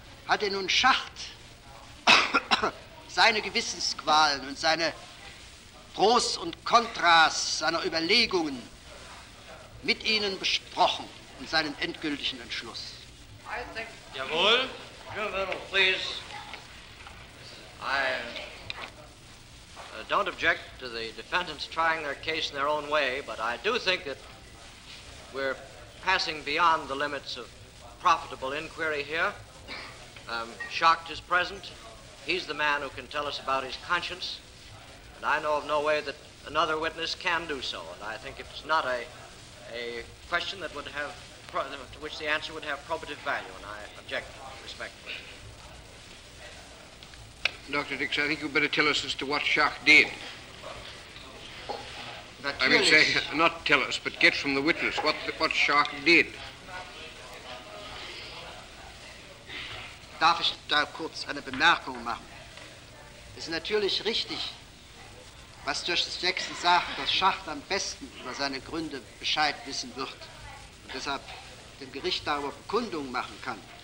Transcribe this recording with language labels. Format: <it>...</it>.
<de>hat er nun Schacht seine Gewissensqualen und seine Pros und Kontras seiner Überlegungen mit Ihnen besprochen und seinen endgültigen Entschluss. Jawohl.</de> <en>General, please. I don't object to the defendants trying their case in their own way, but I do think that we're passing beyond the limits of profitable inquiry here. Schacht is present. He's the man who can tell us about his conscience. And I know of no way that another witness can do so. And I think it's not a question that would have, to which the answer would have probative value. And I object respectfully. Dr. Dix, I think you'd better tell us as to what Schacht did. Naturally. I mean, say, not tell us, but get from the witness what Schacht did.</en> <de>Darf ich da kurz eine Bemerkung machen? Es ist natürlich richtig, was Justice Jackson sagt, dass Schacht am besten über seine Gründe Bescheid wissen wird und deshalb dem Gericht darüber Bekundung machen kann.</de>